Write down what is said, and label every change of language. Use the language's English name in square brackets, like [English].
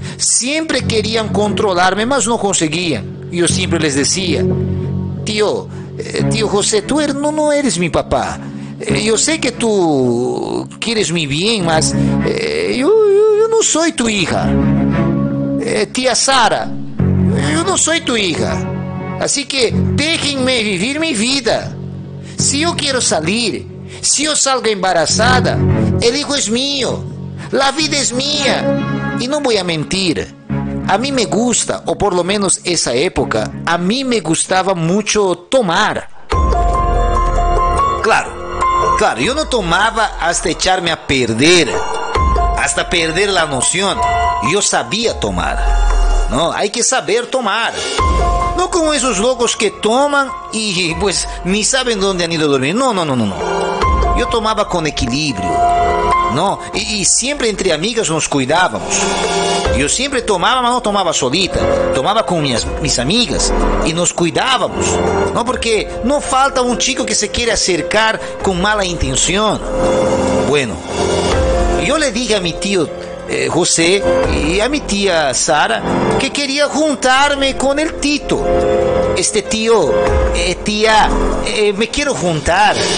[Spanish] Siempre querían controlarme, mas no conseguían. Yo siempre les decía: tío José, tú no eres mi papá. Yo sé que tú quieres mi bien, mas yo no soy tu hija. [Portuguese] Tía Sara, eu não sou tua [Spanish] hija, [Portuguese] assim que deixem-me viver minha vida. Se eu quero sair, se eu [Spanish] salgo embarazada, [Portuguese] o filho é meu, a vida é minha. E não vou mentir, a mim [Spanish] me gusta, [Portuguese] ou [Spanish] por lo menos [Portuguese] essa época, a mim [Spanish] me gustava [Portuguese] muito tomar. Claro, eu não tomava até [Spanish] echarme a perder, [Portuguese] até perder a noção. [Spanish] Yo sabía tomar, ¿no? Hay que saber tomar. No como esos locos que toman y pues ni saben dónde han ido a dormir. No. Yo tomaba con equilibrio, ¿no? Y siempre entre amigas nos cuidábamos. Yo siempre tomaba, pero no tomaba solita. Tomaba con mis amigas y nos cuidábamos, ¿no? Porque no falta un chico que se quiere acercar con mala intención. Bueno, yo le dije a mi tío [Portuguese] José e a minha tia Sara, que queria juntar-me com o Tito. Este tio, tia, me quero juntar.